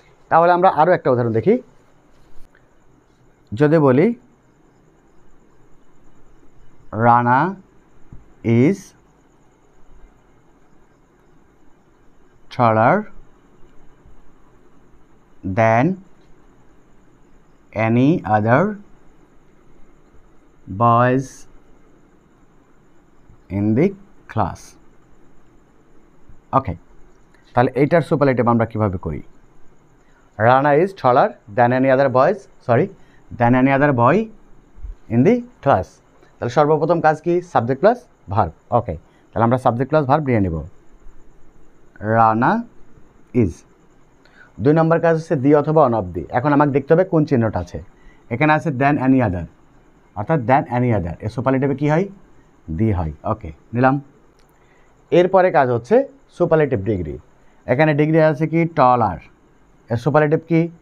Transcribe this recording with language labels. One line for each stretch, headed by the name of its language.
Bangla: তাহলে আমরা আরও একটা উদাহরণ দেখি যদি বলি
English: Rana is taller than any other boys in the class. Okay.
Bangla: তাহলে এইটার সুপারলেটিভ আমরা কিভাবে করি?
English: Rana is taller than any other boys. Sorry, than any other boy in the class.
Bangla: তাহলে সর্বপ্রথম কাজ কি?
English: Subject plus verb. Okay.
Bangla: তাহলে আমরা
English: subject plus verb
Bangla: দিয়ে নিব.
English: Rana is.
Bangla: দুই নম্বর কাজ হচ্ছে দি অথবা অন অফ দি। এখন আমাকে দেখতে হবে কোন চিহ্নটা আছে। এখানে আছে দেন অ্যানি আদার, অর্থাৎ দেন অ্যানি আদার। এ সুপারলেটিভে কী হয়? দি হয়। ওকে, নিলাম। এরপরে কাজ হচ্ছে সুপারলেটিভ ডিগ্রি। এখানে ডিগ্রি আছে কি? টলার। এর সুপারলেটিভ কি?